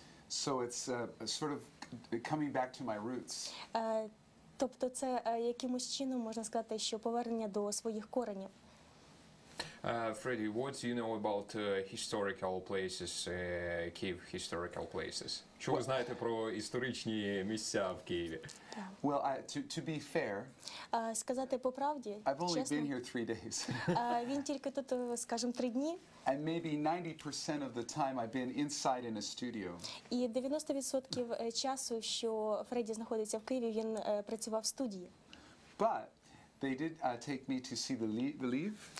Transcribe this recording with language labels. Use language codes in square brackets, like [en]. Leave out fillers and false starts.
[en] So it's sort of coming back to my roots. [uk] Тобто це якимось чином можна сказати, що повернення до своїх коренів. [en] Фредді, what do you know about historical places, Kyiv historical places? [uk] Що ви знаєте про історичні місця в Києві? [en] Well, to be fair, [uk] сказати по правді, [en] I've only been here 3 days. [uk] Він тільки тут, скажімо, 3 дні. [en] And maybe 90% of the time I've been inside in a studio. [uk] І 90% часу, що Фредді знаходиться в Києві, він працював в студії. [en] But they did take me to see the Lviv.